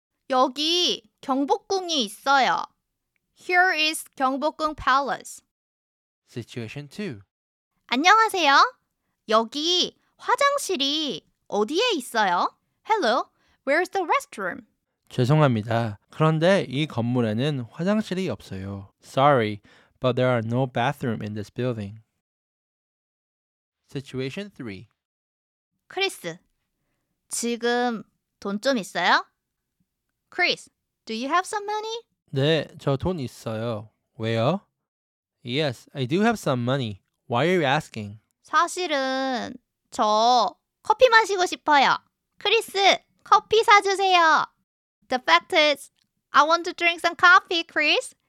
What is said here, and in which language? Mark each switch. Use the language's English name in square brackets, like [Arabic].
[Korean] 여기 경복궁이 있어요. [English] Here is 경복궁 Palace. Situation 2. [Korean] 안녕하세요. 여기 화장실이 어디에 있어요? [English] Hello. Where's the restroom? [Korean] 죄송합니다. 그런데 이 건물에는 화장실이 없어요. [English] Sorry, but there are no bathrooms in this building. Situation 3. [Korean] 크리스, 지금 돈 좀 있어요? [English] Chris, do you have some money? [Korean] 네, 저 돈 있어요. 왜요? [English] Yes, I do have some money. Why are you asking? [Korean] 사실은 저 커피 마시고 싶어요. 크리스, 커피 사주세요. [English] The fact is, I want to drink some coffee, Chris.